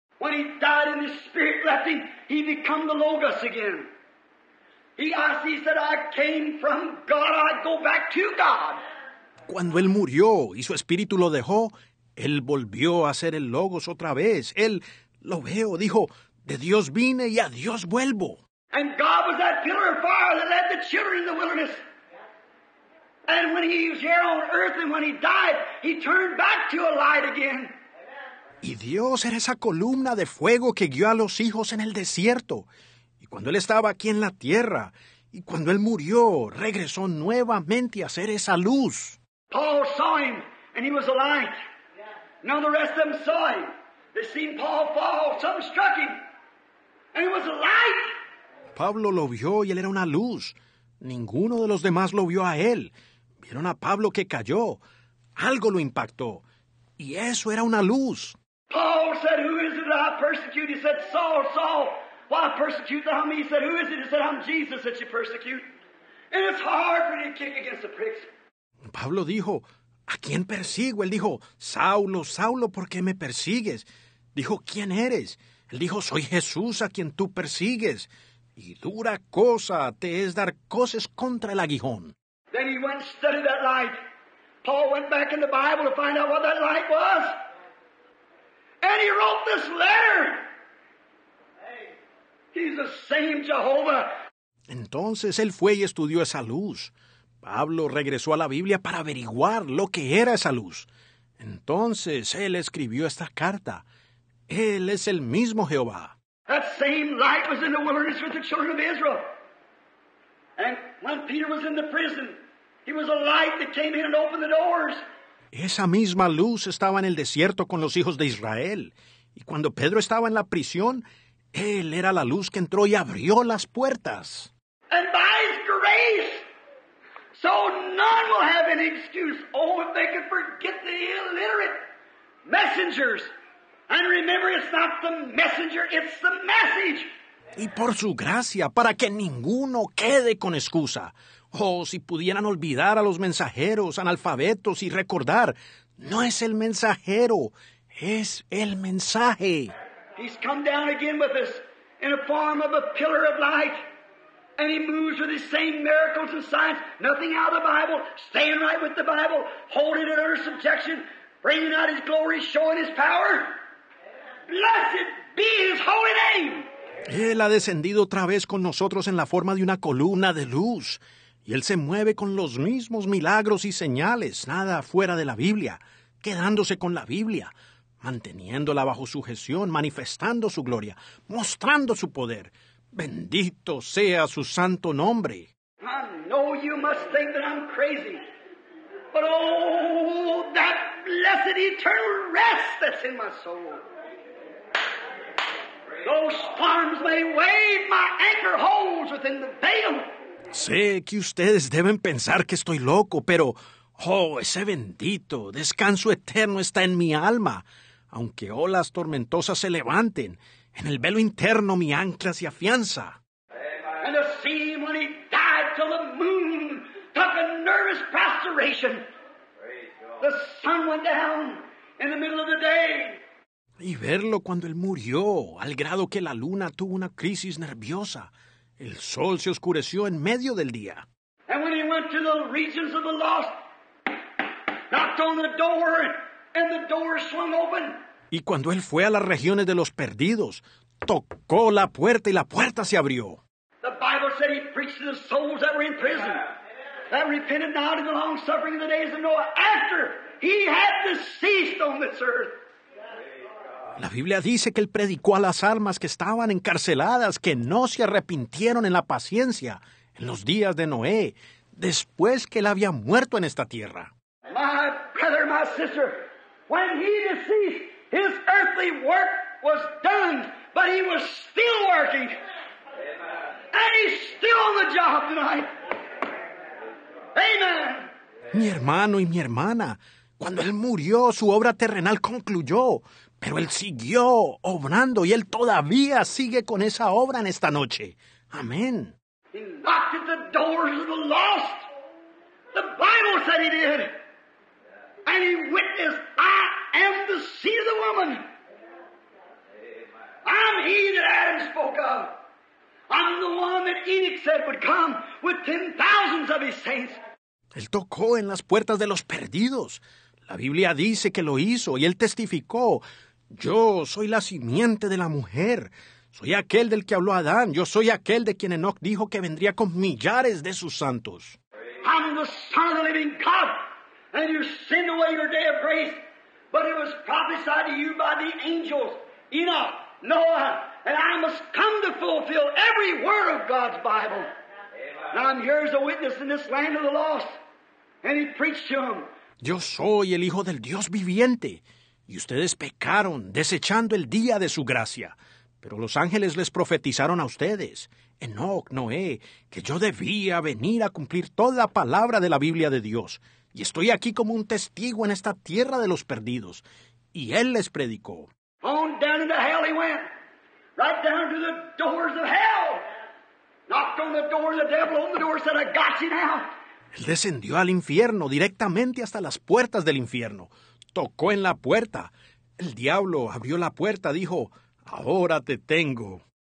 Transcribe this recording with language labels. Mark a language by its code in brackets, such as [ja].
[en] When he died and the Spirit left him, he became the Logos again. He said, I came from God, I go back to God. [es] Cuando Él murió y su espíritu lo dejó, Él volvió a ser el Logos otra vez. Él lo veo, dijo, de Dios vine y a Dios vuelvo. [en] And God was that pillar of fire that led the children in the wilderness. And when he was here on earth and when he died, he turned back to a light again. [es] Y Dios era esa columna de fuego que guió a los hijos en el desierto. Y cuando Él estaba aquí en la tierra, y cuando Él murió, regresó nuevamente a ser esa luz. [en] Paul saw him, and he was a light. Now the rest of them saw him. They seen Paul fall, something struck him, and he was a light. [es] Pablo lo vio y él era una luz. Ninguno de los demás lo vio a él. Vieron a Pablo que cayó. Algo lo impactó. Y eso era una luz. [en] Paul said, who is it that I persecute? He said, Saul, Saul, why persecute thou me? He said, who is it? He said, I'm Jesus that you persecute. And it's hard for you to kick against the pricks. [es] Pablo dijo, ¿a quién persigo? Él dijo, Saulo, Saulo, ¿por qué me persigues? Dijo, ¿quién eres? Él dijo, soy Jesús a quien tú persigues. Y dura cosa te es dar coces contra el aguijón. [en] Then he went and studied that light. Paul went back in the Bible to find out what that light was. And he wrote this letter. He's the same Jehovah. [es] Entonces él fue y estudió esa luz. Pablo regresó a la Biblia para averiguar lo que era esa luz. Entonces él escribió esta carta. Él es el mismo Jehová. [en] That same light was in the wilderness with the children of Israel. And when Peter was in the prison, he was a light that came in and opened the doors. [es] Esa misma luz estaba en el desierto con los hijos de Israel. Y cuando Pedro estaba en la prisión, él era la luz que entró y abrió las puertas. [en] And by his grace, so none will have any excuse. Oh, if they could forget the illiterate messengers. And remember, it's not the messenger, it's the message. [es] Y por su gracia, para que ninguno quede con excusa. Oh, si pudieran olvidar a los mensajeros, analfabetos, y recordar, no es el mensajero, es el mensaje. [en] He's come down again with us in a form of a pillar of light. And he moves with the same miracles and signs. Nothing out of the Bible, staying right with the Bible, holding it under subjection, bringing out his glory, showing his power. Blessed be his holy name. [es] Él ha descendido otra vez con nosotros en la forma de una columna de luz. Y Él se mueve con los mismos milagros y señales, nada fuera de la Biblia, quedándose con la Biblia, manteniéndola bajo sujeción, manifestando su gloria, mostrando su poder. Bendito sea su santo nombre. [en] I know you must think that I'm crazy, but oh, that blessed eternal rest that's in my soul. Those storms may wave, my anchor holds within the veil. [es] Sé que ustedes deben pensar que estoy loco, pero, oh, ese bendito descanso eterno está en mi alma. Aunque olas tormentosas se levanten, en el velo interno mi ancla se afianza. [en] And the sea when he died till the moon took a nervous prostration. The sun went down in the middle of the day. [es] Y verlo cuando él murió, al grado que la luna tuvo una crisis nerviosa. El sol se oscureció en medio del día. [en] And when he went to the regions of the lost, knocked on the door, and the door swung open. [es] Y cuando él fue a las regiones de los perdidos, tocó la puerta y la puerta se abrió. [en] The Bible said he preached to the souls that were in prison, that repented not of the long suffering in the days of Noah, after he had deceased on this earth. [es] La Biblia dice que él predicó a las almas que estaban encarceladas, que no se arrepintieron en la paciencia, en los días de Noé, después que él había muerto en esta tierra. [en] My brother, my sister, when he deceased, his earthly work was done, but he was still working. And he's still on the job tonight. Amen. [es] Mi hermano y mi hermana, cuando él murió, su obra terrenal concluyó. Pero él siguió obrando y él todavía sigue con esa obra en esta noche. Amén. [en] He knocked at the doors of the lost. The Bible said he did. And he witnessed, I am the seed of the woman. I'm he that Adam spoke of. I'm the one that Enoch said would come with 10,000 of his saints. [es] Él tocó en las puertas de los perdidos. La Biblia dice que lo hizo y él testificó. Yo soy la simiente de la mujer. Soy aquel del que habló Adán. Yo soy aquel de quien Enoch dijo que vendría con millares de sus santos. [en] I'm the son of the living God. And you send away your day of grace. But it was prophesied to you by the angels. Enoch, Noah, and I must come to fulfill every word of God's Bible. Now I'm here as a witness in this land of the lost. And he preached to them. [es] Yo soy el hijo del Dios viviente. Y ustedes pecaron, desechando el día de su gracia. Pero los ángeles les profetizaron a ustedes, Enoch, Noé, que yo debía venir a cumplir toda la palabra de la Biblia de Dios. Y estoy aquí como un testigo en esta tierra de los perdidos. Y él les predicó. [en] On down into hell he went. Right down to the doors of hell. Knocked on the door, the devil opened the door and said, I got you now. [es] Él descendió al infierno, directamente hasta las puertas del infierno. Tocó en la puerta. El diablo abrió la puerta, dijo, ahora te tengo.